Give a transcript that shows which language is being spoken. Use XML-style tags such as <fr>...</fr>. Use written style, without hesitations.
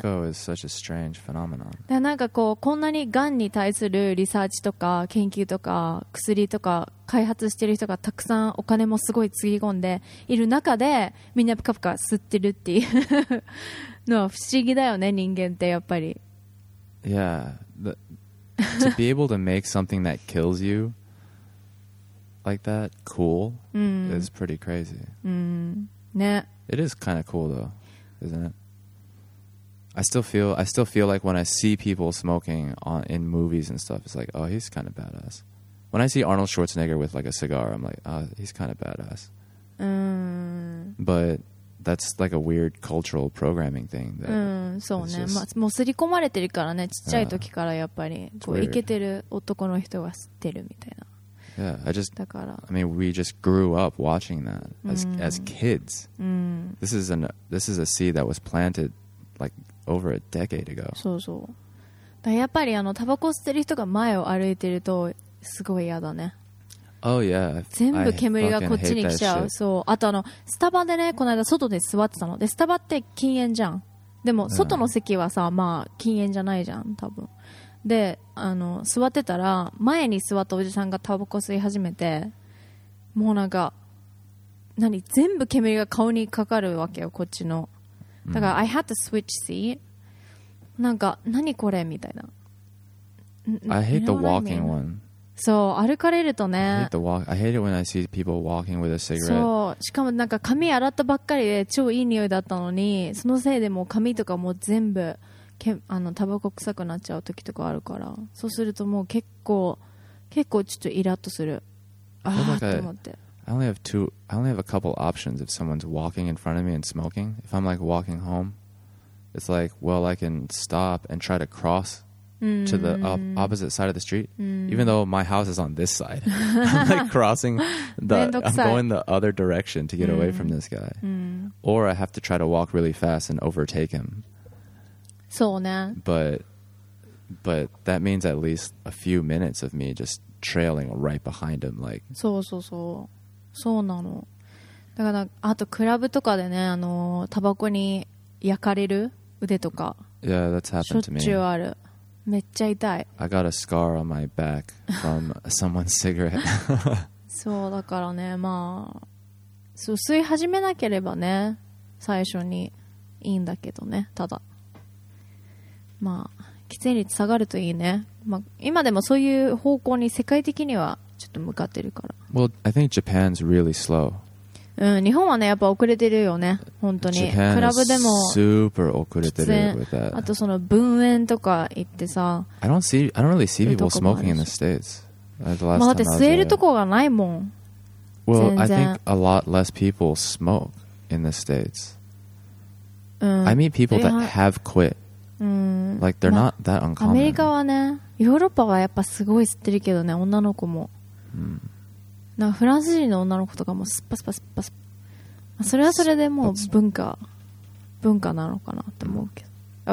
<en>Tobacco is such a strange phenomenon。</en> <ja>だなんかこうこんなにがんに対するリサーチとか研究とか薬とか開発してる人がたくさんお金もすごいつぎ込んでいる中でみんなプカプカ吸ってるっていうのは不思議だよね、人間ってやっぱり。</ja> <en>Yeah、to be able to make something that kills you like that cool、 mm. is pretty crazy、 mm. yeah. It is kind of cool though, isn't it? I still feel like when I see people smoking in movies and stuff, it's like, oh, he's kind of badass. When I see Arnold Schwarzenegger with like a cigar, I'm like, oh, he's kind of badass、 mm. But that's like a weird cultural programming thing that、 mm.</en> <ja>そうね、まあ、もう刷り込まれてるからね、ちっちゃい時からやっぱり、</ja> <en>yeah.</en> <ja>こうイケてる男の人が吸ってるみたいな。</ja> <en>Weird. Yeah, I just, I mean, we just grew up watching that as as kids. This is an, this is a seed that was planted like over a decade ago.</en> <ja>そうそう。だからやっぱりあのタバコ吸ってる人が前を歩いてるとすごい嫌だね。</ja> <en>Oh yeah.</en> <ja>全部煙がこっちに来ちゃう。そう。あとあのスタバでね、この間外で座ってたので、スタバって禁煙じゃん。でも外の席はさ、まあ禁煙じゃないじゃん、多分。で、あの座ってたら前に座ったおじさんがタバコ吸い始めて、もうなんか何全部煙が顔にかかるわけよ、こっちの。だから、</ja> <en>I had to switch seat。</en> <ja>なんか何これみたいな。</ja> <en>I hate the walking one。</en> <ja>そう、歩かれるとね。</ja> <en>I hate it when I see people walking with a cigarette。</en> <ja>そう、しかもなんか髪洗ったばっかりで超いい匂いだったのに、そのせいでもう髪とかもう全部けあのタバコ臭くなっちゃう時とかあるから、そうするともう結構結構ちょっとイラッとする。ああと思って。</ja> <en>I only have two. I only have a couple options if someone's walking in front of me and smoking. If I'm like walking home, it's like, well, I can stop and try to cross to the opposite side of the street, even though my house is on this side. I'm like crossing the. I'm going the other direction to get away from this guy, or I have to try to walk really fast and overtake him.</en> <ja>そうね。</ja> <en>But that means at least a few minutes of me just trailing right behind him, like.</en> <ja>そうそうそう。そうなの。だからあとクラブとかでね、あのタバコに焼かれる腕とか。</ja> <en>Yeah, that's happened to me.</en> <ja>しょっちゅうある。めっちゃ痛い。</ja> <en>I got a scar on my back from someone's cigarette.</en> <ja>そうだからね、まあそう吸い始めなければね、最初にいいんだけどね。ただ、まあ喫煙率下がるといいね。まあ今でもそういう方向に世界的には。ちょっと向かってるから。</ja> <en>Well, I think Japan's really slow.</en> <ja>うん、日本はね、やっぱ遅れてるよね、本当に。</ja> <en>Japan</en> <ja>クラブでも</ja> <en>super</en> <ja>遅れてる</ja> <en>with that.</en> <ja>あとその分煙とか行ってさ。</ja> <en>I don't really see people smoking in the States. The</en> <ja>まあ、だって吸えるとこがないもん。</ja> <en>Well, I think a lot less people smoke in the States. I meet people that have quit. Like they're not that uncommon.</en> <ja>アメリカはね、ヨーロッパはやっぱすごい吸ってるけどね、女の子も。なんかフランス人の女の子とかもスッパスパスッパスッパ、それはそれでもう文化文化なのかなと思うけど。</ja>